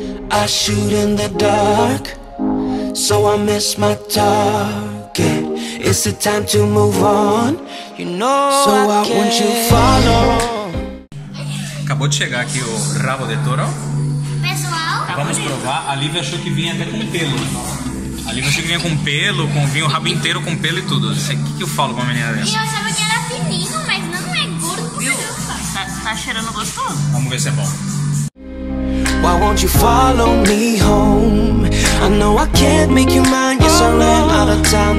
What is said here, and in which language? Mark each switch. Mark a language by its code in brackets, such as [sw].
[en] I shoot in the dark, so I miss my target. It's the time to move on, you know. So I want you follow. [pt] Acabou de chegar aqui o rabo de toro. Pessoal, vamos provar. A Lívia achou que vinha até com pelo. A Lívia achou que vinha com pelo, com vinho, o rabo inteiro com pelo e tudo. O que, que eu falo pra menina dessa? E eu achava que era fininho, mas não é gordo, viu? Tá cheirando gostoso? Vamos ver se é bom. [en] Why won't you follow me home? I know I can't make you mind. You're so long out of town.